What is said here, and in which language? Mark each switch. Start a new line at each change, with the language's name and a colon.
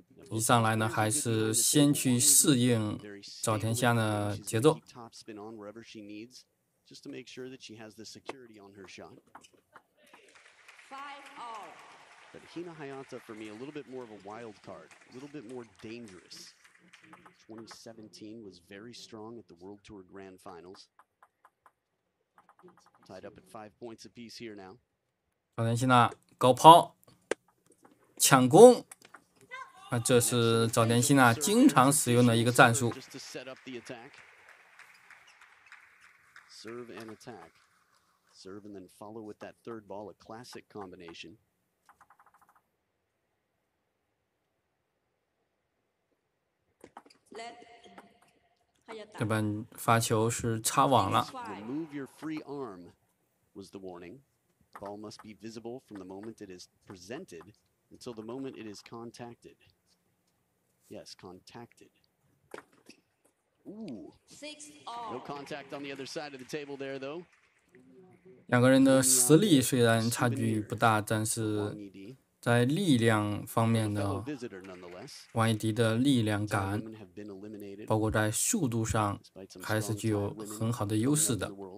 Chinese: 一上来呢，还是先去适应早田希娜的节奏。
English: Top spin on wherever she needs, just to make sure that she has the security on her shot. But Hina Hayata, for me, a little bit more of a wild card, a little bit more dangerous. 2017 was very strong at the World Tour Grand Finals. Tied up at 5 points apiece here now.
Chinese: 早田希娜高抛，抢攻，这是早田希娜经常使用的一个战术。
English: Serve and attack. Serve and attack. Serve and then follow with that third ball, a classic combination.
Chinese: 这边发球是插网了。
English: Remove your free arm was the warning. Ball must be visible from the moment it is presented until the moment it is contacted. Yes, contacted. Ooh. No contact on the other side of the table there, though.
Chinese: 两个人的实力虽然差距不大，但是在力量方面的王艺迪的力量感包括在速度上还是具有很好的优势的。